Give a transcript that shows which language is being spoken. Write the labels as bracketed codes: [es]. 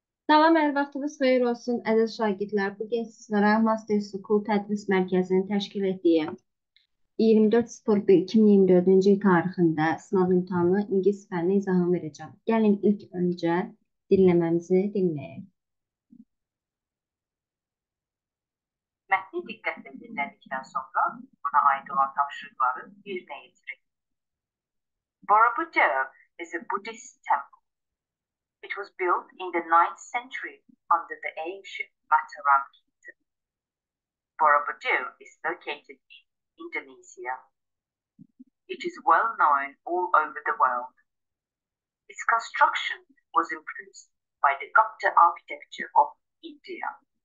[az] Salam, hər vaxtınız xeyir olsun, əziz şagirdlər. Bugün sizlərə Master School Tədris Mərkəzinin təşkil etdiyi 24.01.2024-cü il tarixində sınav imtahanı ingilis fənni izahını verəcəm. Gəlin ilk öncə dinləməmizi dinləyək. [tr] Metni dikkatle dinledikten sonra buna ait olan tapşırıkları yerine getirin. [en] Borobudur is a Buddhist temple. It was built in the 9th century under the ancient Mataram Kingdom. Borobudur is located in Indonesia. It is well known all over the world. Its construction was influenced by the Gupta architecture of India.